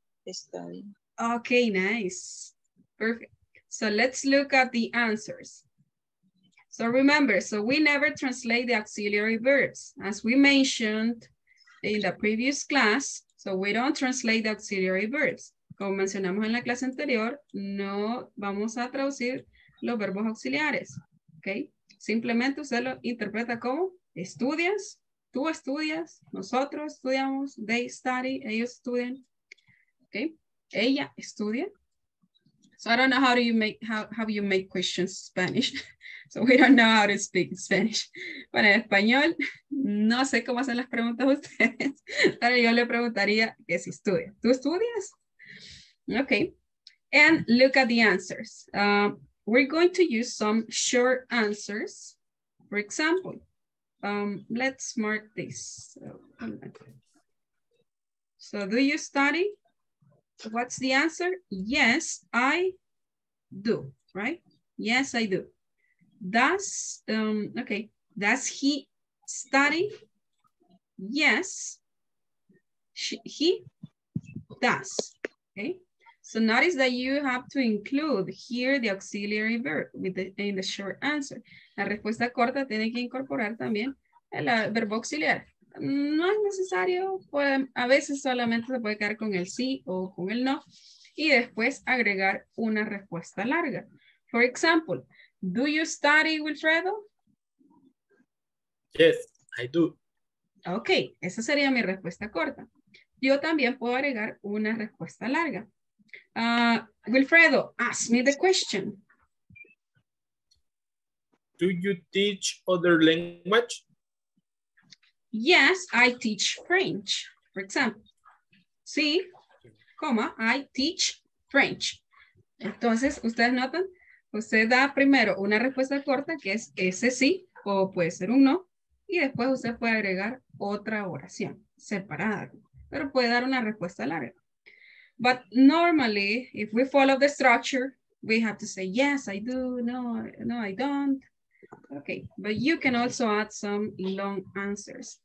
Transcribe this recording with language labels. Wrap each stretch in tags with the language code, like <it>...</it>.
<en>Study. Okay, nice. Perfect. So let's look at the answers. So remember, so we never translate the auxiliary verbs. As we mentioned in the previous class, so we don't translate the auxiliary verbs.</en> <es>Como mencionamos en la clase anterior, no vamos a traducir los verbos auxiliares. Okay? Simplemente usted lo interpreta como estudias, tú estudias, nosotros estudiamos,</es> <en>they study,</en> <es>ellos estudian. Okay, ella estudia.</es> <en>So I don't know how do you make how you make questions in Spanish. So we don't know how to speak Spanish.</en> <es>Bueno, en español, no sé cómo hacen las preguntas ustedes, pero yo le preguntaría que si estudia. ¿Tú estudias?</es> <en>Okay. And look at the answers. We're going to use some short answers. For example, let's mark this. So do you study? What's the answer? Yes, I do, right? Yes, I do. Does, okay, does he study? Yes, he does, okay? So notice that you have to include here the auxiliary verb with the, in the short answer.</en> <es>La respuesta corta tiene que incorporar también el verbo auxiliar. No es necesario, pues a veces solamente se puede quedar con el sí o con el no y después agregar una respuesta larga.</es> <en>For example, do you study, Wilfredo? Yes, I do.</en> <es>Ok, esa sería mi respuesta corta. Yo también puedo agregar una respuesta larga.</es> <en>Wilfredo, ask me the question. Do you teach other language? Yes, I teach French, for example.</en> <es>Sí, coma,</es> <en>I teach French.</en> <es>Entonces, ustedes notan, usted da primero una respuesta corta, que es ese sí, o puede ser un no, y después usted puede agregar otra oración separada, pero puede dar una respuesta larga.</es> <en>But normally, if we follow the structure, we have to say, yes, I do, no, no, I don't. Okay, but you can also add some long answers.</en>